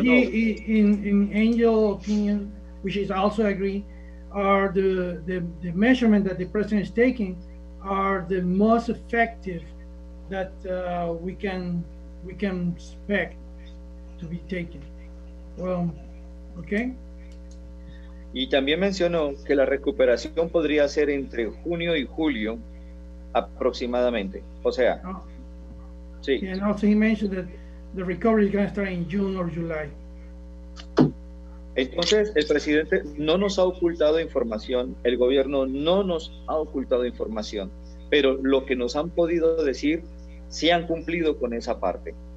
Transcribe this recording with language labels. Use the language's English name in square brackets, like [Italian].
[English] And he, in Angel opinion, which is also agree, are the measurement that the president is taking are the most effective that we can expect to be taken. Well. Okay. [Spanish] Y también mencionó que la recuperación podría ser entre junio y julio aproximadamente. O sea, sí. [English] And also he mentioned that the recovery is going to start in June or July. [Spanish] Entonces, el presidente no nos ha ocultado información, el gobierno no nos ha ocultado información, pero lo que nos han podido decir, sí han cumplido con esa parte.